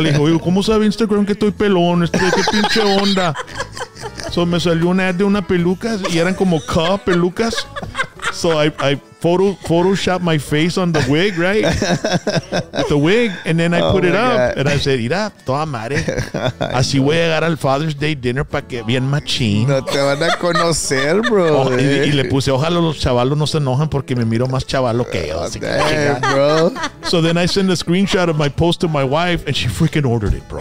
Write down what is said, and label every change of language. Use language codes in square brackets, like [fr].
[es] Le dije, ¿cómo sabe Instagram que estoy pelón? ¿Qué pinche onda? So me salió un ad de una peluca y eran como pelucas. [en] So I photoshopped my face on the wig, right? The wig. And then I put it up. God. And I said, [es] mira, toda madre. Así voy a llegar al Father's Day dinner para que bien machín. No te van a conocer, bro. Y le puse, ojalá los chavalos no se enojan porque me miro más chavalo que yo. Así que [en] bro. So then I send a screenshot of my post to my wife and she freaking ordered it, bro.